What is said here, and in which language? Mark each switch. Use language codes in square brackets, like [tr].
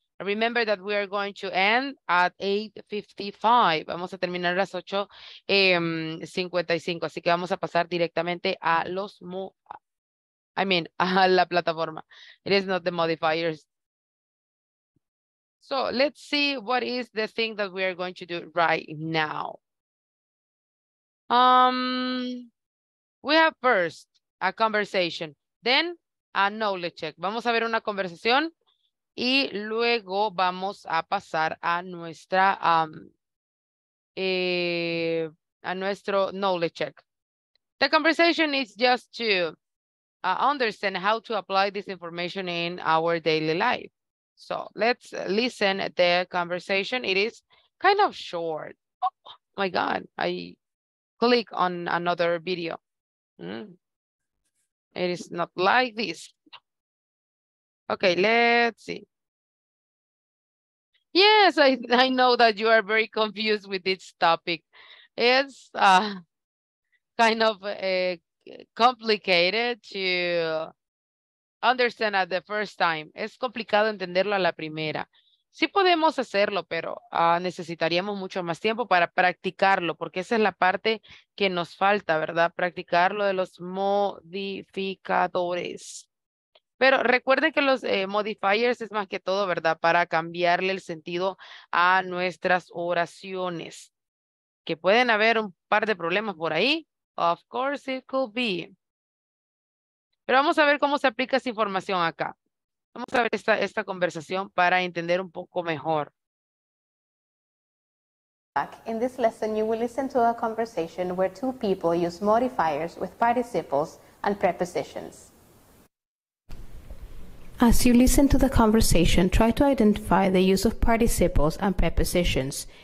[en] Remember that we are going to end at 8:55. [es] Vamos a terminar a las 8:55. Así que vamos a pasar directamente a los, a la plataforma. [en] It is not the modifiers. So let's see what is the thing that we are going to do right now. We have first a conversation. Then a knowledge check. Vamos a ver una conversación y luego vamos a pasar a nuestra a nuestro knowledge check. The conversation is just to understand how to apply this information in our daily life. So let's listen to the conversation. It is kind of short. Oh my God, I click on another video. It is not like this. Okay, let's see. Yes, I know that you are very confused with this topic. It's kind of complicated to understand at the first time. [es] Es complicado entenderlo a la primera. Sí podemos hacerlo, pero necesitaríamos mucho más tiempo para practicarlo, porque esa es la parte que nos falta, ¿verdad? Practicar lo de los modificadores. Pero recuerden que los modifiers es más que todo, ¿verdad? Para cambiarle el sentido a nuestras oraciones. Que pueden haber un par de problemas por ahí. [en] Of course it could be. [es] Pero vamos a ver cómo se aplica esa información acá. Vamos a ver esta conversación para entender un poco mejor. [en] In this lesson, you will listen to a conversation where two people use modifiers with participles and prepositions. As you listen to the conversation, try to identify the use of participles and prepositions.